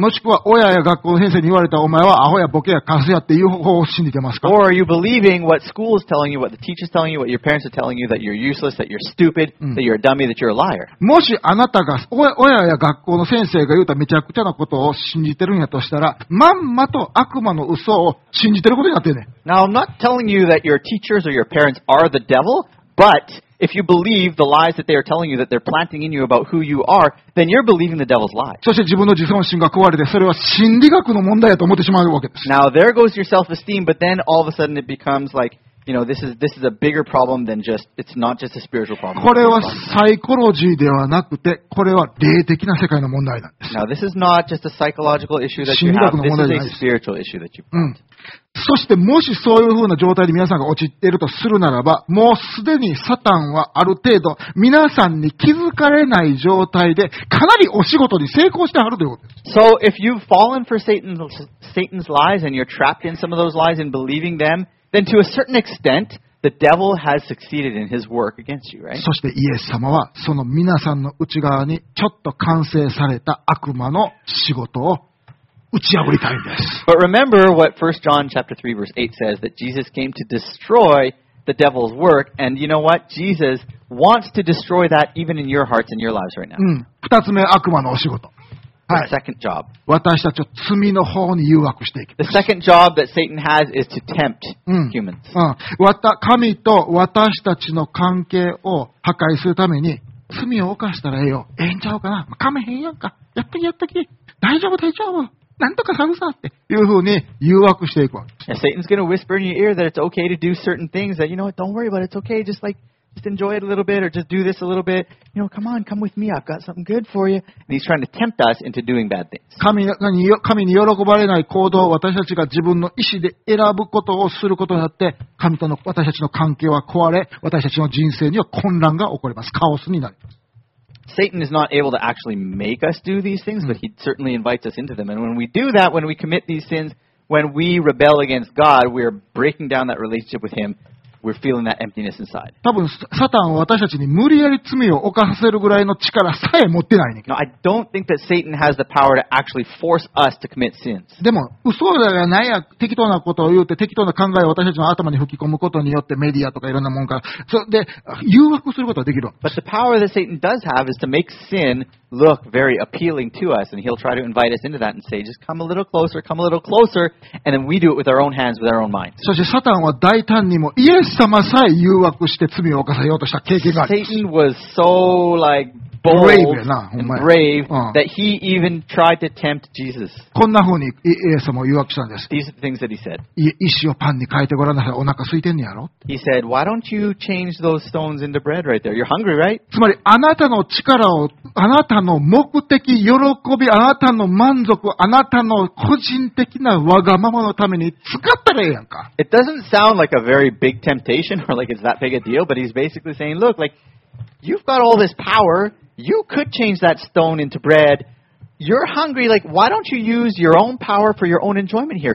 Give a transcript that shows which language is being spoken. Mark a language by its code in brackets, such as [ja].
[ja] もしくは親や学校の先生に言われられたお前はアホやボケやカスやっていう方法を信じてますか? [en] Or are you believing what school is telling you, what the teacher is telling you, what your parents are telling you, that you're useless, that you're stupid, that you're a dummy, that you're a liar? [ja] もしあなたが親や学校の先生が言うためちゃくちゃなことを信じてるんやとしたら、まんまと悪魔の嘘を信じてることになってるね。 [en] Now I'm not telling you that your teachers or your parents are the devil, but... If you believe the lies that they are telling you, that they're planting in you about who you are, then you're believing the devil's lie. [ja] そして自分の自尊心が壊れて、それは心理学の問題だと思ってしまうわけです。 [en] Now there goes your self-esteem, but then all of a sudden it becomes like, you know, this is a bigger problem than just, it's not just a spiritual problem. [ja] これはサイコロジーではなくて、これは霊的な世界の問題なんです。 [en] Now this is not just a psychological issue that you have, this is a spiritual issue that you have. [ja] そしてもしそういう風な状態で皆さんが陥っているとするならば、もうすでにサタンはある程度皆さんに気づかれない状態でかなりお仕事に成功してあるということです。 [en] So if you've fallen for Satan's lies and you're trapped in some of those lies and believing them, then to a certain extent the devil has succeeded in his work against you, right? そしてイエス様はその皆さんの内側にちょっと完成された悪魔の仕事を打ち破りたいんです。 But remember what 1 John chapter 3 verse 8 says, that Jesus came to destroy the devil's work, and you know what? Jesus wants to destroy that even in your hearts and your lives right now. [ja] 二つ目、悪魔のお仕事。 [en] はい。Second job. [ja] 私たちを罪の方に誘惑していく。 [en] The second job that Satan has is to tempt humans. [ja] 神と私たちの関係を破壊するために罪を犯したらええよ。ええんちゃうかな。噛めへんやんか。やってきやってき。大丈夫大丈夫。なんとかするさっていうふうに誘惑していくわけです。 [en] Satan's going to whisper in your ear that it's okay to do certain things, that you know what, don't worry about it, it's okay, just like, just enjoy it a little bit, or just do this a little bit. You know, come on, come with me, I've got something good for you. And he's trying to tempt us into doing bad things. [ja] 神に喜ばれない行動を私たちが自分の意思で選ぶことをすることによって、神との私たちの関係は壊れ、私たちの人生には混乱が起こります。カオスになります。 [en] Satan is not able to actually make us do these things, but he certainly invites us into them. And when we do that, when we commit these sins, when we rebel against God, we're breaking down that relationship with him. We're feeling that emptiness inside. [ja] 多分サタンは私たちに無理やり罪を犯させるぐらいの力さえ持ってないね。 [en] No, I don't think that Satan has the power to actually force us to commit sins. [ja] でも嘘じゃないや、適当なことを言って適当な考えを私たちの頭に吹き込むことによってメディアとかいろんなもんから、それで誘惑することはできる。 [en] But the power that Satan does have is to make sin look very appealing to us, and he'll try to invite us into that and say, just come a little closer, come a little closer, and then we do it with our own hands, with our own minds. [ja] そしてサタンは大胆にもイエス様さえ誘惑して罪を犯せようとした経験があります。 [en] Satan was so like bold and brave that he even tried to tempt Jesus. [ja] こんな風にイエス様を誘惑したんです。 [en] These are the things that he said. [ja] 石をパンに変えてごらんなさい。お腹空いてんのやろ。 [en] He said, why don't you change those stones into bread right there? You're hungry, right? [ja] つまりあなたの力をあなたの目的、喜び、あなたの満足、あなたの個人的なわがままのために使ったらええやんか。 [en] It doesn't sound like a very big temptation or like it's that big a deal, but he's basically saying, look, like, you've got all this power, you could change that stone into bread, you're hungry, like, why don't you use your own power for your own enjoyment here?